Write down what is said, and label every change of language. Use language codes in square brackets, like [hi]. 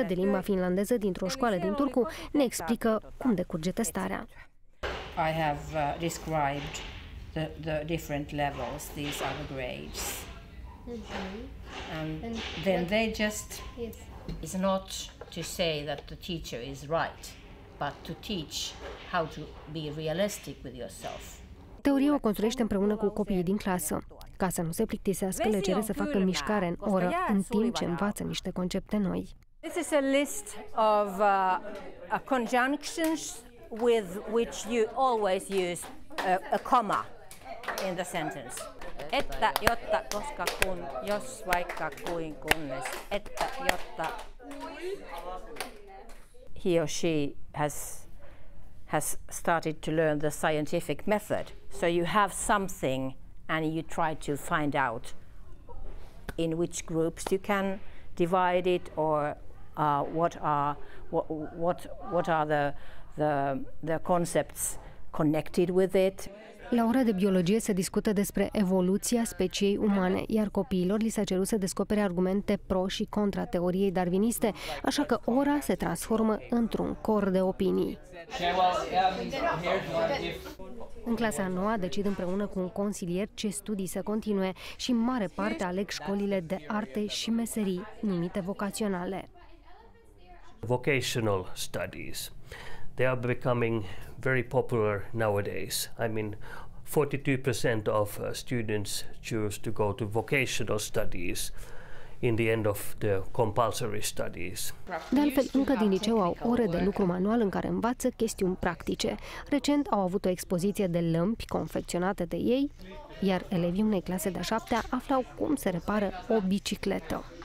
[ro] de limba finlandeză dintr-o școală din Turku ne explică cum decurge testarea. [en] I have described the different levels, these are the grades. And then they just, it's not to say that the teacher is right, but to teach how to be realistic with yourself. [ro] Teoria o construiește împreună cu copiii din clasă. Ca să nu se plictisească, le cere să facă mișcare în oră, în timp ce învață niște concepte noi. [en] This is a list of conjunctions with which you always use a comma in the sentence. [fi] Että, jotta, koska, kun, jos, vaikka, kuin, kunnes, että, jotta. [en] He or she has started to learn the scientific method. So you have something and you try to find out in which groups you can divide it or what are the concepts connected with it. [ro] La ora de biologie se discută despre evoluția speciei umane, iar copiilor li s-a cerut să descopere argumente pro și contra teoriei darwiniste, așa că ora se transformă într-un cor de opinii. În clasa noua decid împreună cu un consilier ce studii să continue și în mare parte aleg școlile de arte și meserii numite vocaționale. [en] Vocational studies. They are becoming very popular nowadays. I mean, 42% of students choose to go to vocational studies in the end of the compulsory studies. [ro] De altfel, încă din liceu au ore de lucru manual în care învață chestiuni practice. Recent au avut o expoziție de lămpi confecționate de ei, iar elevii unei clase de-a șaptea aflau cum se repară o bicicletă.